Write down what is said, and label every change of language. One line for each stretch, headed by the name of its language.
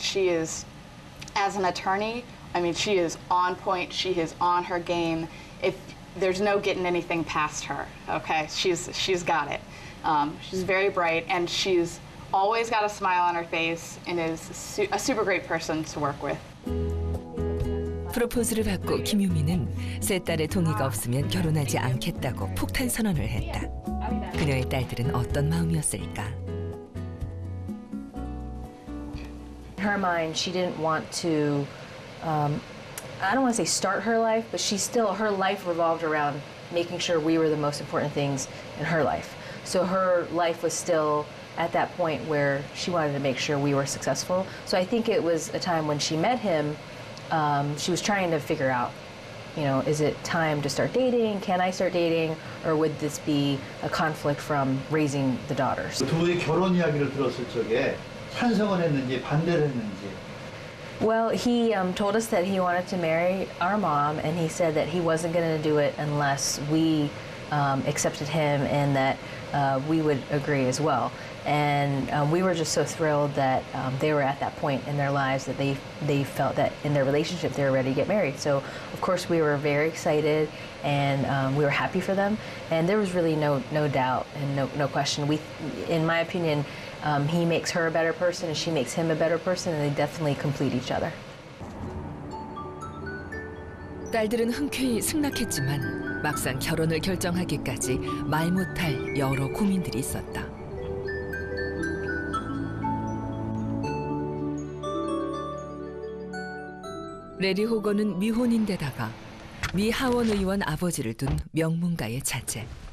English: She is, as an attorney, I mean, she is on point. She is on her game. If there's no getting anything past her, okay? She's got it. She's very bright, and she's always got a smile on her face and is a super great person to work with.
Korean: 프로포즈를 받고 김유미는 세 딸의 동의가 없으면 결혼하지 않겠다고 폭탄 선언을 했다. 그녀의 딸들은 어떤 마음이었을까?
English: In her mind, she didn't want to, I don't want to say start her life, but she still, her life revolved around making sure we were the most important things in her life. So her life was still at that point where she wanted to make sure we were successful. So I think it was a time when she met him, she was trying to figure out, you know, is it time to start dating? Can I start dating? Or would this be a conflict from raising the daughters?
Korean: 두 분의 결혼 이야기를 들었을 적에 찬성을 했는지 반대를 했는지.
English: Well, he told us that he wanted to marry our mom, and he said that he wasn't going to do it unless we accepted him and that we would agree as well. And we were just so thrilled that they were at that point in their lives that they felt that in their relationship they were ready to get married. So, of course, we were very excited, and we were happy for them. And there was really no doubt and no question. In my opinion, he makes her a better person, and she makes him a better person, and they definitely complete each other.
Korean: 딸들은 흔쾌히 승낙했지만 막상 결혼을 결정하기까지 말 못할 여러 고민들이 있었다. 레리 호건은 미혼인데다가 미 하원 의원 아버지를 둔 명문가의 자제.